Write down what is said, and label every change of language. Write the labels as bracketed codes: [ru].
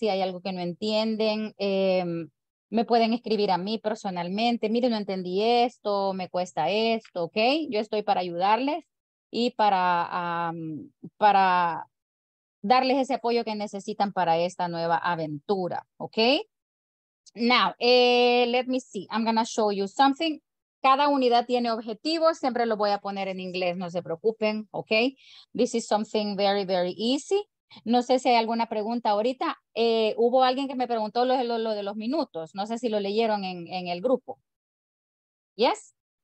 [es] Si hay algo que no entienden, me pueden escribir a mí personalmente, mire, no entendí esto, me cuesta esto, ok, yo estoy para ayudarles y para darles ese apoyo que necesitan para esta nueva aventura, ok. [en] Now, let me see, I'm gonna show you something. [es] Cada unidad tiene objetivos, siempre lo voy a poner en inglés, no se preocupen, ¿ok? [en] This is something very, very easy. [es] No sé si hay alguna pregunta ahorita. Hubo alguien que me preguntó lo de los minutos, no sé si lo leyeron en el grupo. ¿Yes?